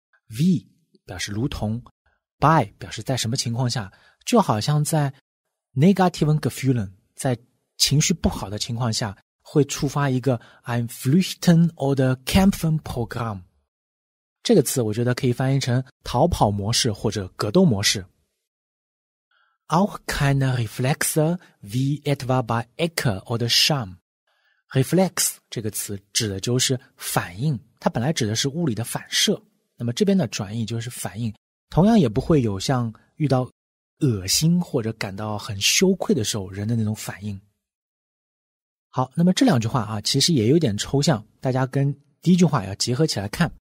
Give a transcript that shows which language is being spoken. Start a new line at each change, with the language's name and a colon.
Chinese: wie 表示如同， by 表示在什么情况下，就好像在
German: negativen Gefühlen
Chinese: 在情绪不好的情况下会触发一个
German: ein Flüchten oder Kämpfenprogramm，
Chinese: 这个词我觉得可以翻译成逃跑模式或者格斗模式。
German: auch keine Reflexe wie etwa bei Ecke oder Scham。
Chinese: Reflex 这个词指的就是反应，它本来指的是物理的反射，那么这边的转译就是反应，同样也不会有像遇到恶心或者感到很羞愧的时候人的那种反应。好，那么这两句话啊，其实也有点抽象，大家跟第一句话要结合起来看。